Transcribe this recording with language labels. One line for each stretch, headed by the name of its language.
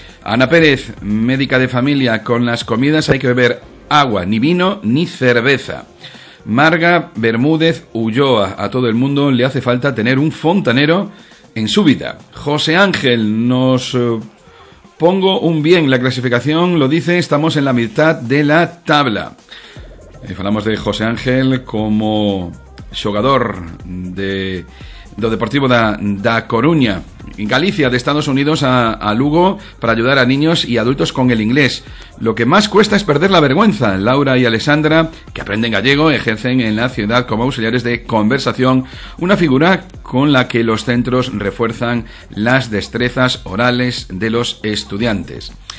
Spanish: Ana Pérez, médica de familia, con las comidas hay que beber agua, ni vino ni cerveza. Marga Bermúdez Ulloa, a todo el mundo le hace falta tener un fontanero en su vida. José Ángel, nos pongo un bien, la clasificación lo dice, estamos en la mitad de la tabla.
Galician: Falamos de José Ángel como xogador do Deportivo da Coruña.
Spanish: Galicia, de Estados Unidos, a Lugo, para ayudar a niños y adultos con el inglés. Lo que más cuesta es perder la vergüenza. Laura y Alessandra, que aprenden gallego, ejercen en la ciudad como auxiliares de conversación, una figura con la que los centros refuerzan las destrezas orales de los estudiantes.